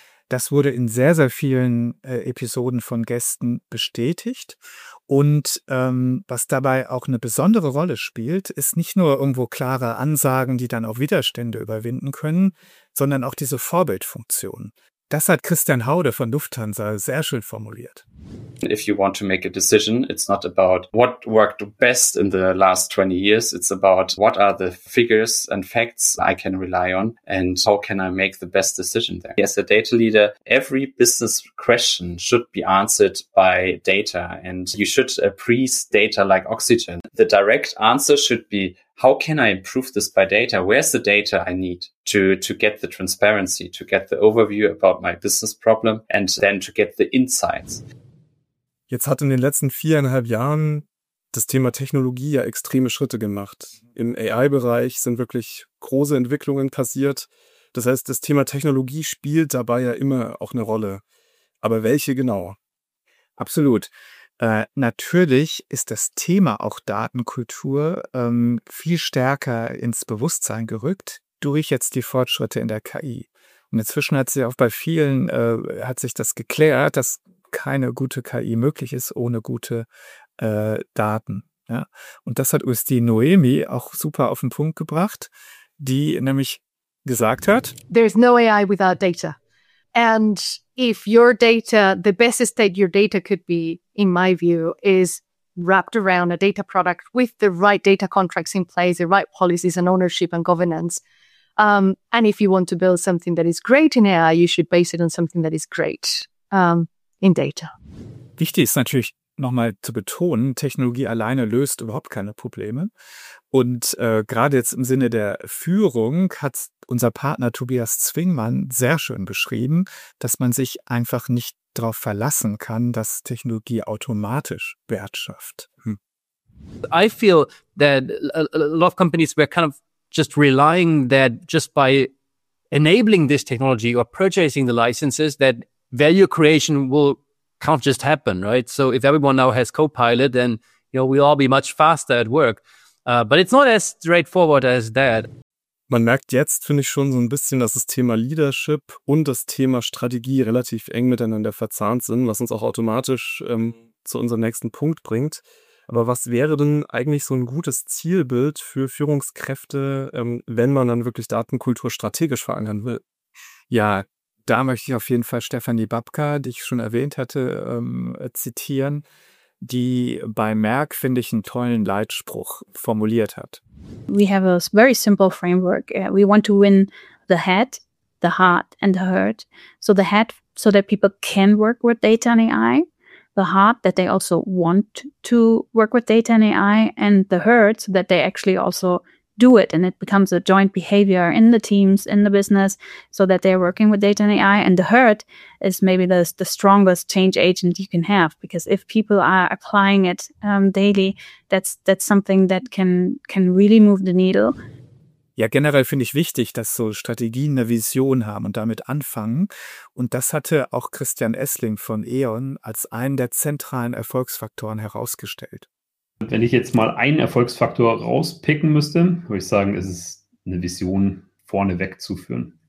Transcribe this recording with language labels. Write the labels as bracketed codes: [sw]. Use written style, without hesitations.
[de] Das wurde in sehr, sehr vielen Episoden von Gästen bestätigt. Und was dabei auch eine besondere Rolle spielt, ist nicht nur irgendwo klare Ansagen, die dann auch Widerstände überwinden können, sondern auch diese Vorbildfunktion. Das hat Christian Haude von Lufthansa sehr schön formuliert. [en] If you want to make a decision, it's not about what worked best in the last 20 years. It's about what are the figures and facts I can rely on and how can I make the best decision there. As a data leader, every business question should be answered by data and you should appraise data like oxygen. The direct answer should be, how can I improve this by data? Where's the data I need to get the transparency, to get the overview about my business problem and then to get the insights? [de] Jetzt hat in den letzten 4,5 Jahren das Thema Technologie ja extreme Schritte gemacht. Im AI-Bereich sind wirklich große Entwicklungen passiert. Das heißt, das Thema Technologie spielt dabei ja immer auch eine Rolle. Aber welche genau? Absolut. Natürlich ist das Thema auch Datenkultur viel stärker ins Bewusstsein gerückt durch jetzt die Fortschritte in der KI. Und inzwischen hat sich auch bei vielen hat sich das geklärt, dass keine gute KI möglich ist ohne gute Daten. Ja? Und das hat uns die Noemi auch super auf den Punkt gebracht, die nämlich gesagt hat. [en] There is no AI without data. And if your data, the best state your data could be, in my view, is wrapped around a data product with the right data contracts in place, the right policies and ownership and governance. And if you want to build something that is great in AI, you should base it on something that is great in data. [de] Wichtig ist natürlich nochmal zu betonen, Technologie alleine löst überhaupt keine Probleme. Und gerade jetzt im Sinne der Führung hat unser Partner Tobias Zwingmann sehr schön beschrieben, dass man sich einfach nicht darauf verlassen kann, dass Technologie automatisch Wert schafft. [en] I feel that a lot of companies were kind of just relying that just by enabling this technology or purchasing the licenses, that value creation will kind of just happen, right? So if everyone now has Copilot, then you know we'll all be much faster at work. But it's not as straightforward as that. [de] Man merkt jetzt, finde ich, schon so ein bisschen, dass das Thema Leadership und das Thema Strategie relativ eng miteinander verzahnt sind, was uns auch automatisch zu unserem nächsten Punkt bringt. Aber was wäre denn eigentlich so ein gutes Zielbild für Führungskräfte, wenn man dann wirklich Datenkultur strategisch verankern will? Ja, da möchte ich auf jeden Fall Stefanie Babka, die ich schon erwähnt hatte, zitieren, die bei Merck, finde ich, einen tollen Leitspruch formuliert hat. [en] We have a very simple framework. We want to win the head, the heart and the heart. So the head, so that people can work with data and AI. The heart, that they also want to work with data and AI. And the heart, so that they actually also do it. And it becomes a joint behavior in the teams, in the business, so that they're working with data and AI. And the heart is maybe the strongest change agent you can have. Because if people are applying it daily, that's something that can really move the needle. [de] Ja, generell finde ich wichtig, dass so Strategien eine Vision haben und damit anfangen. Und das hatte auch Christian Essling von E.ON als einen der zentralen Erfolgsfaktoren herausgestellt. Wenn ich jetzt mal einen Erfolgsfaktor rauspicken müsste, würde ich sagen, es ist eine Vision vorne wegzuführen.